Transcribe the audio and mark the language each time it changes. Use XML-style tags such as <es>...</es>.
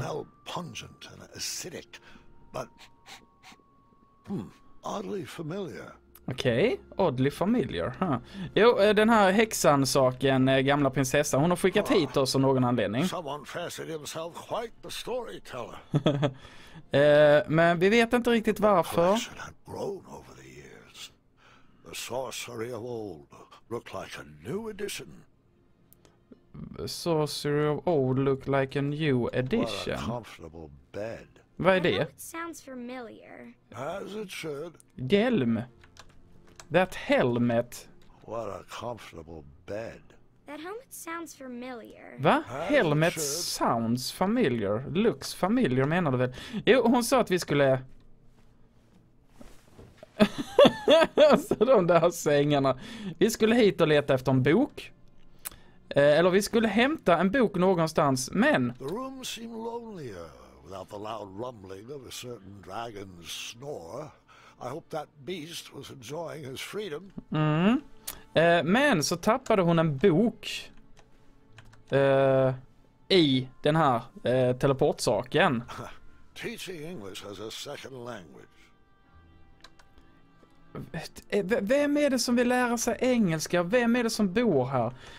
<en>Smell pungent and acidic, but oddly familiar. Okej, okay. Oddly familiar. Huh.</en> <sv>Jo, den här häxan-saken, gamla prinsessa, hon har skickat hit oss av någon anledning.</sv> <en>Someone fancied himself quite the storyteller.</en> <sv>men vi vet inte riktigt varför.</sv> <en>The collection had grown over the years. The sorcery of old looked like a new edition. The sorcery of old looked like a new edition. What a comfortable bed.</en> <sv>Vad är det?</sv> <en>Sounds familiar. As it should. Hjälm. That helmet. What a comfortable bed. That helmet sounds familiar. Va? Helmet sounds familiar. Looks familiar,</en> <sv>menar du väl? Jo, hon sa att vi skulle... alltså, de där sängarna. Vi skulle hit och leta efter en bok. Eller vi skulle hämta en bok någonstans, men...</sv> <en>The room seemed lonelier without the loud rumbling of a certain dragon's snore. I hope that beast was enjoying his freedom. Mm.</en> <sv>Men så tappade hon en bok i den här teleportsaken.</sv> <en>Teaching English as a second language.</en> <sv>Vem är det som vill lära sig engelska? Vem är det som bor här?</sv>